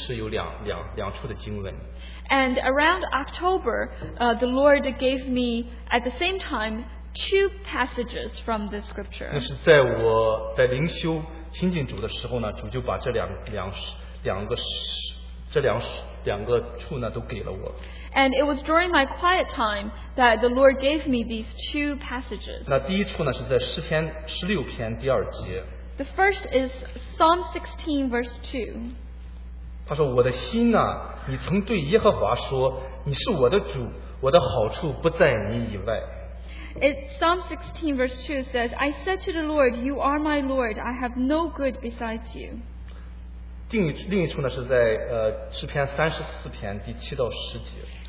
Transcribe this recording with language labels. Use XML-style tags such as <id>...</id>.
<zh>再往后一点的时候，大概10月份左右的时间，主又赐给我同时有两处的经文。</zh> <en>And around October, the Lord gave me at the same time two passages from the scripture.</en> <zh>那是在我在灵修亲近主的时候呢，主就把这两个处呢都给了我。</zh> <en>And it was during my quiet time that the Lord gave me these two passages.</en> <zh>那第一处呢是在诗篇16篇第2节。</zh> <en>The first is Psalm 16 verse 2.</en> <zh>他说我的心呢，你曾对耶和华说，你是我的主，我的好处不在你以外。</zh> <en>Psalm 16 verse 2 says, I said to the Lord, you are my Lord, I have no good besides you.</en> <zh>另一处呢是在诗篇34篇第7到10节。</zh>